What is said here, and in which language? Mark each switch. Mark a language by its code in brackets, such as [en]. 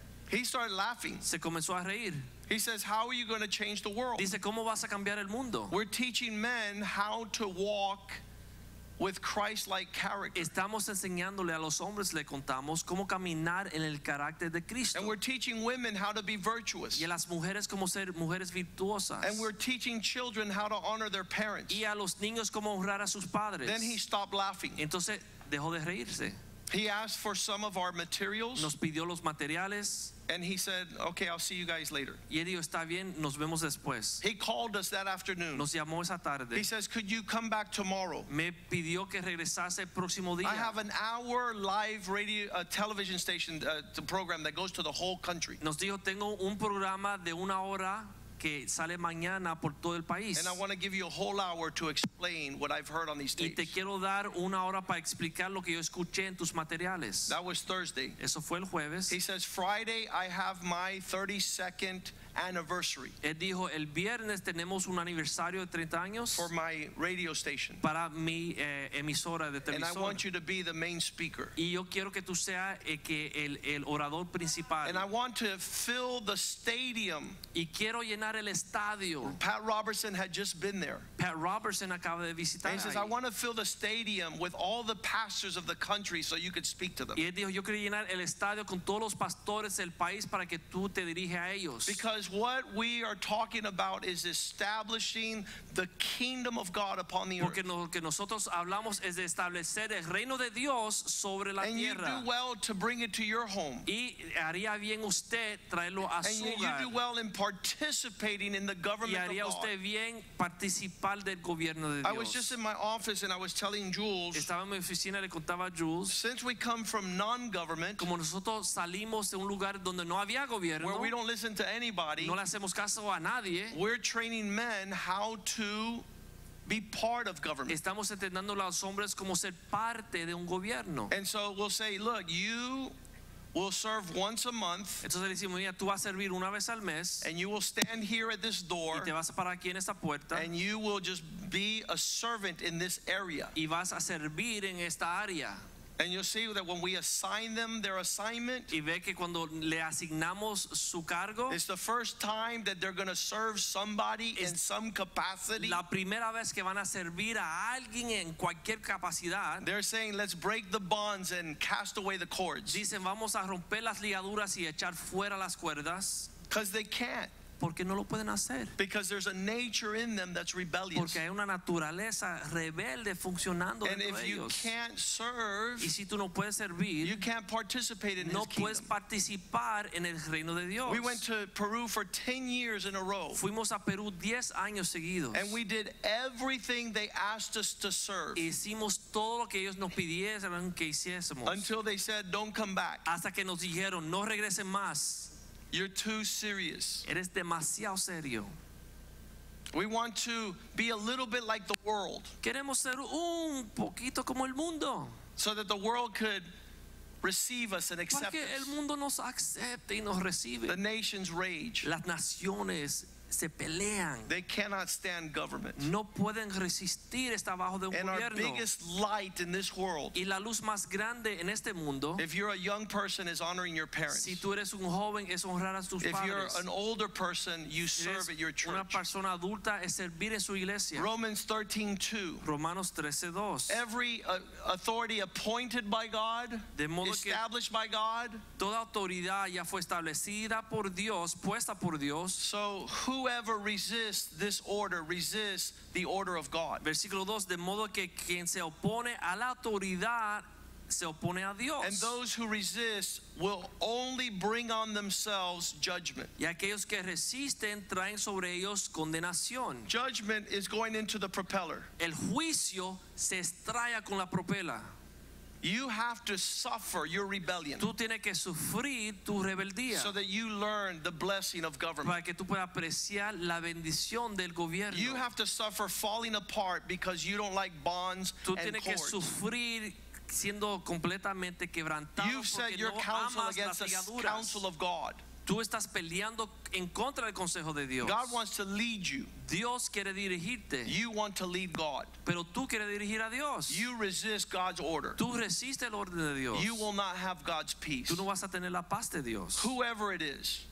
[en] He started laughing. [es] Se comenzó a reír. [en] He says, how are you going to change the world? [es] Dice, ¿cómo vas a cambiar el mundo? [en] We're teaching men how to walk with Christ-like character. [es] Estamos enseñándole a los hombres, le contamos cómo caminar en el carácter de Cristo. [en] And we're teaching women how to be virtuous. [es] Y a las mujeres cómo ser mujeres virtuosas. [en] And we're teaching children how to honor their parents. [es] Y a los niños cómo honrar a sus padres. [en] Then he stopped laughing. [es] Entonces dejó de reírse. [en] He asked for some of our materials. [es] Nos pidió los materiales. [en] And he said, okay, I'll see you guys later. [es] Y él dijo, está bien, nos vemos después. [en] He called us that afternoon. [es] Nos llamó esa tarde. [en] He says, could you come back tomorrow? [es] Me pidió que regresase el próximo día. [en] I have an hour live radio television station program that goes to the whole country. [es] Nos dijo, tengo un programa de una hora que sale mañana por todo el país. [en] And I want to give you a whole hour to explain what I've heard on these tapes. [es] Y te quiero dar una hora para explicar lo que yo escuché en tus materiales. [en] That was Thursday. [es] Eso fue el jueves. [en] He says, Friday I have my 32nd anniversary. [es] Él dijo, el viernes tenemos un aniversario de 30 años. [en] For my radio station. [es] Para mi emisora de televisión. [en] And I want you to be the main speaker. [es] Y yo quiero que tú seas el orador principal. [en] And I want to fill the stadium. [es] Y quiero llenar el estadio. [en] Pat Robertson had just been there. [es] Pat Robertson acaba de visitar. [en] And he says, I want to fill the stadium with all the pastors of the country so you could speak to them. [es] Y él dijo, yo quiero llenar el estadio con todos los pastores del país para que tú te dirijas a ellos. [en] Because what we are talking about is establishing the kingdom of God upon the [es] porque [en] earth. [es] Porque lo que nosotros hablamos es de establecer el reino de Dios sobre la [en] and [es] tierra. [en] And you do well to bring it to your home. [es] Y haría bien usted traerlo a [en] and [es] su hogar. [en] And you do well in participating in the government [es] y haría [en] of God. [es] Usted bien participar del gobierno de Dios. [en] I was just in my office and I was telling Jules. [es] Estaba en mi oficina y le contaba a Jules. [en] Since we come from non-government, [es] como nosotros salimos de un lugar donde no había gobierno, [en] where we don't listen to anybody. [es] No le hacemos caso a nadie. [en] We're training men how to be part of government. [es] Estamos entendiendo los hombres como ser parte de un gobierno. [en] And so we'll say, look, you will serve once a month. [es] Entonces decimos, mira, tú vas a servir una vez al mes. [en] And you will stand here at this door. [es] Y te vas a parar aquí en esta puerta. [en] And you will just be a servant in this area. [es] Y vas a servir en esta área. [en] And you'll see that when we assign them their assignment, [es] y ve que cuando le asignamos su cargo, [en] it's the first time that they're going to serve somebody in some capacity. [es] La primera vez que van a servir a alguien en cualquier capacidad. [en] They're saying, let's break the bonds and cast away the cords. [es] Dicen, vamos a romper las ligaduras y echar fuera las cuerdas. [en] Because they can't. [es] Porque no lo pueden hacer. [en] Because there's a nature in them that's rebellious. [es] Porque hay una naturaleza rebelde funcionando dentro de ellos. [en] And if you can't serve, [es] y si tú no puedes servir, [en] you can't participate in [es] no [en] his kingdom. [es] Puedes participar en el reino de Dios. [en] We went to Peru for 10 years in a row. [es] Fuimos a Perú 10 años seguidos. [en] And we did everything they asked us to serve. [es] Hicimos todo lo que ellos nos pidieron que hiciésemos. [en] Until they said, don't come back. [es] Hasta que nos dijeron, no regresen más. [en] You're too serious. [es] Eres demasiado serio. [en] We want to be a little bit like the world. [es] Queremos ser un poquito como el mundo. [en] So that the world could receive us and accept us. [es] Para que el mundo nos acepte y nos recibe. [en] The nations rage. [es] Las naciones se pelean. [en] They cannot stand government. [es] No pueden resistir estar bajo de un [en] and [es] gobierno. [en] And our biggest light in this world. [es] Y la luz más grande en este mundo. [en] If you're a young person, is honoring your parents. [es] Si tú eres un joven, es honrar a tus padres. [en] If you're an older person, you [es] si [en] serve at your church. [es] Una persona adulta es servir en su iglesia. [en] Romans 13:2. [es] Romanos 13:2. [en] Every authority appointed by God, [es] de modo [en] established [es] que [en] by God. [es] Toda autoridad ya fue establecida por Dios, puesta por Dios. [en] So whoever resists this order resists the order of God. [es] Versículo 2, de modo que quien se opone a la autoridad se opone a Dios. [en] And those who resist will only bring on themselves judgment. [es] Y aquellos que resisten traen sobre ellos condenación. [en] Judgment is going into the propeller. [es] El juicio se estrella con la propela. [en] You have to suffer your rebellion. [es] Tú tienes que sufrir tu rebeldía. [en] So that you learn the blessing of government. [es] Para que tú puedas apreciar la bendición del gobierno. [en] You have to suffer falling apart because you don't like bonds and cords. [es] Tú tienes que sufrir siendo completamente quebrantado. [en] You've set your counsel against the counsel of God. [es] Tú estás peleando en contra del consejo de Dios. [en] God wants to lead you. [es] Dios quiere dirigirte. [en] You want to lead God. [es] Pero tú quieres dirigir a Dios. [en] You resist God's order. [es] Tú resistes el orden de Dios. [en] You will not have God's peace. [es] Tú no vas a tener la paz de Dios. [en] Whoever it is.